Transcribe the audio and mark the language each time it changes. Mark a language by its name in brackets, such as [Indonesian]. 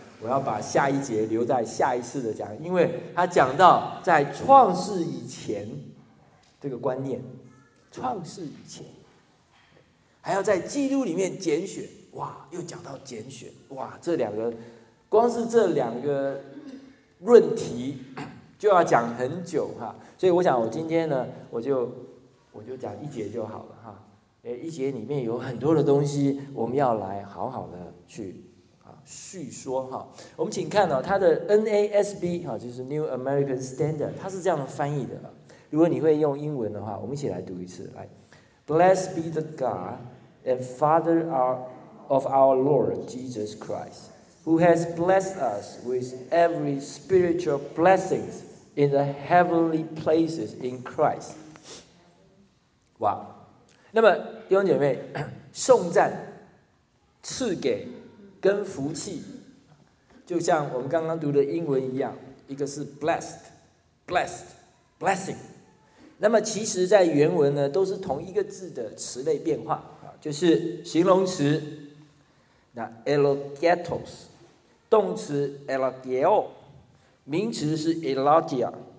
[Chinese] 我要把下一节留在下一次的讲，因为他讲到在创世以前这个观念，创世以前还要在基督里面拣选，哇，又讲到拣选，哇，这两个光是这两个论题就要讲很久哈，所以我想我今天呢，我就讲一节就好了哈，一节里面有很多的东西，我们要来好好的去。叙说哈，我们请看哦，它的 NASB 哈，就是 New American Standard， 它是这样翻译的。如果你会用英文的话，我们一起来读一次。 [English] 来 ，Blessed be the God and Father of our Lord Jesus Christ, who has blessed us with every spiritual blessings in the heavenly places in Christ。 [Chinese] 哇，那么弟兄姐妹，颂赞赐给。跟福气，就像我们刚刚读的英文一样，一个是 blessing。那么其实，在原文呢，都是同一个字的词类变化，就是形容词，那 elogetos， 动词 elogio， 名词是 elogia。